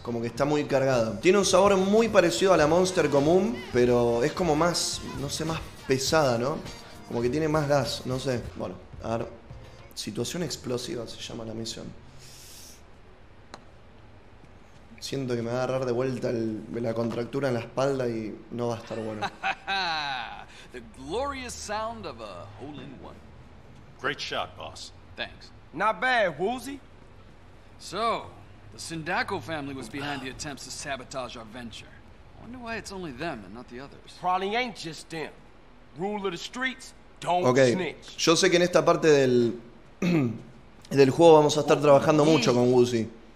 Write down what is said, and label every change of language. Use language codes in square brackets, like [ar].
[es] Como que está muy cargada. Tiene un sabor muy parecido a la Monster común, pero es como más, no sé, más pesada, ¿no? Como que tiene más gas, no sé. Bueno, a ver. Situación explosiva se llama la misión. Siento que me va a agarrar de vuelta la contractura en la espalda y no va a estar bueno. [en] The glorious sound of a hole in one. Great shot, boss. Thanks. Not bad, Woozy. So, the Sindaco family was behind the attempts to sabotage our venture. I wonder why it's only them and not the others. Probably ain't just them. Rule of the streets, don't okay. Snitch. [es] Yo sé que en esta parte del juego vamos a estar trabajando mucho con Woozy.